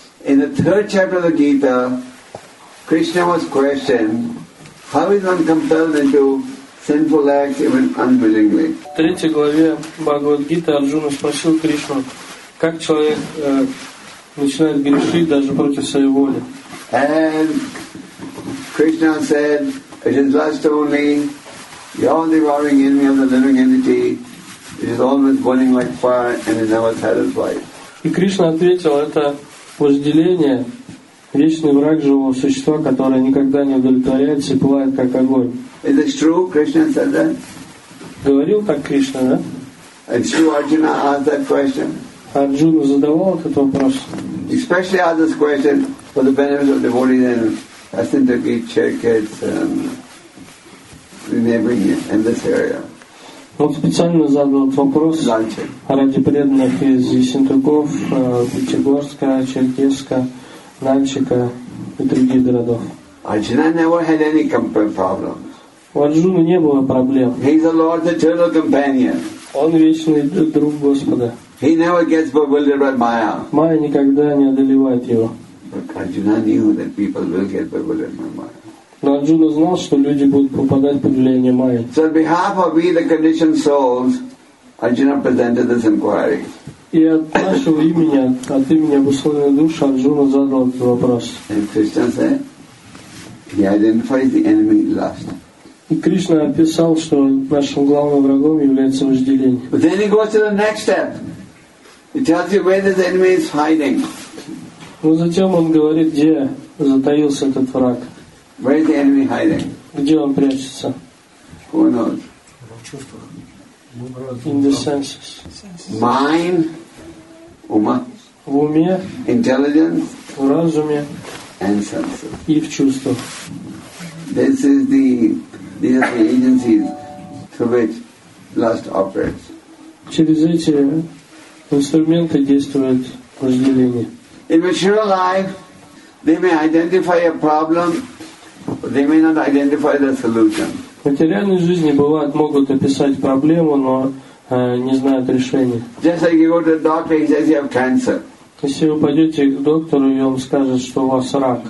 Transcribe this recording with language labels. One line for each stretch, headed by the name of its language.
English: In the third chapter of the Gita, Krishna was questioned, how is one compelled into sinful acts even unwillingly?
Russian: В третьей главе Бхагавад-гиты Арджуна спросил Кришну, как человек начинает грешить даже против своей воли.
English: And Krishna said, it is lust only, you are devouring enemy of the living entity. It is always burning like fire and is never satisfied.
Russian: И Кришна ответил, это вожделение, вечный враг живого существа, которое никогда не удовлетворяется и пылает как огонь.
English: Is this true? Krishna said that?
Russian: Говорил так Кришна, да?
English: And true, Arjuna asked that question.
Russian: Арджуна задавал этот вопрос.
English: Especially asked this question for the benefit of devotees and Asindaki Chirkets in neighboring in this area.
Russian: Он специально задал этот вопрос ради преданных из Ессентуков, Пятигорска, Черкесска, Нальчика и других городов.
English: Arjuna never had any problems.
Russian: У Арджуны не было проблем.
English: He is the Lord's eternal companion.
Russian: Он вечный друг Господа.
English: He never gets bewildered by Maya.
Russian: Майя никогда не одолевает его.
English: Arjuna knew that people will get bewildered by Maya.
Russian: Но Арджуна знал, что люди будут попадать под влияние майи.
English: So on behalf of we, the conditioned souls, Arjuna presented this inquiry.
Russian: И от нашего имени, от имени обусловленной души, Арджуна задал этот вопрос.
English: And Krishna said, he identified the enemy lust.
Russian: И Кришна описал, что нашим главным врагом является вожделение.
English: But then he goes to the next step. He tells you where this enemy is hiding.
Russian: Но затем он говорит, где затаился этот враг.
English: Where is the enemy hiding?
Russian: Где он прячется?
English: Who knows? In the senses. Mind,
Russian: ума. В уме.
English: Intelligence.
Russian: В разуме.
English: And senses.
Russian: И в чувствах.
English: These are the agencies through which lust operates.
Russian: Через эти инструменты действует вожделение.
English: In material life, they may identify a problem. They may not identify the solution.
Russian: В материальной жизни бывает могут описать проблему, но не знают решения.
English: Just like you go to the doctor, he says you have cancer.
Russian: Если вы пойдете к доктору, и он скажет, что у вас рак.